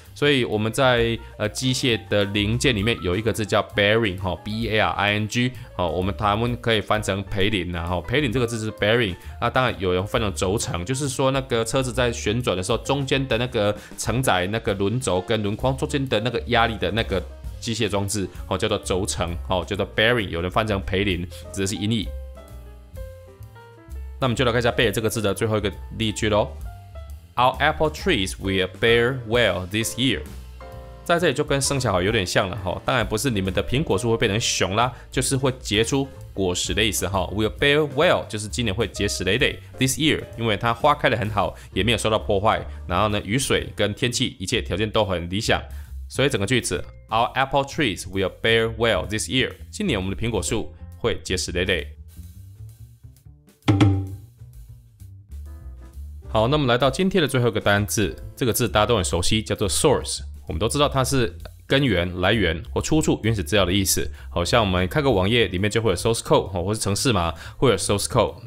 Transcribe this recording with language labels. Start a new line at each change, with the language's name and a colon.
Chinese: 所以我们在机械的零件里面有一个字叫 bearing， b a r i n g， 我们台湾可以翻成培林呐，培林这个字是 bearing， 那当然有人翻成轴承，就是说那个车子在旋转的时候，中间的那个承载那个轮轴跟轮框中间的那个压力的那个机械装置，叫做轴承，叫做 bearing， 有人翻成培林，指的是音译。那我们就来看一下 bear 这个字的最后一个例句喽。
English: Our apple trees will bear well this year.
Chinese: 在这里就跟生小孩有点像了，当然不是你们的苹果树会变成熊啦，就是会结出果实的意思。
English: Will bear well
Chinese: 就是今年会结实累累。This year 因为它花开得很好，也没有受到破坏，然后呢雨水跟天气一切条件都很理想。所以整个句子
English: Our apple trees will bear well this year.
Chinese: 今年我们的苹果树会结实累累。好，那么来到今天的最后一个单字，这个字大家都很熟悉，叫做 source。我们都知道它是根源、来源或出处原始资料的意思。好像我们看个网页里面就会有 source code 或是程式码，会有 source code。